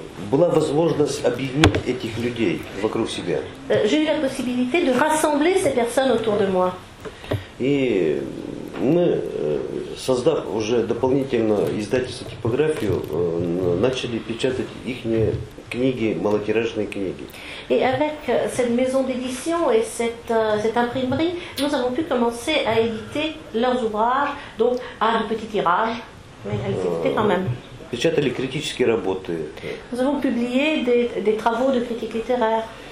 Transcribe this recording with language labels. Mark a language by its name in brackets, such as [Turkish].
[Russian] Была возможность объединить этих людей вокруг себя. [French] J'ai eu la possibilité de rassembler ces personnes autour de moi. [Russian] И мы, создав уже дополнительно издательство типографию, начали печатать их книги, малотиражные книги. [French] Et avec cette maison d'édition et cette imprimerie, nous avons pu commencer à éditer leurs ouvrages, donc à un petit tirage, mais elles existaient quand même. [Russian] Печатали критические работы. [French] Nous avons publié des travaux de critique littéraire.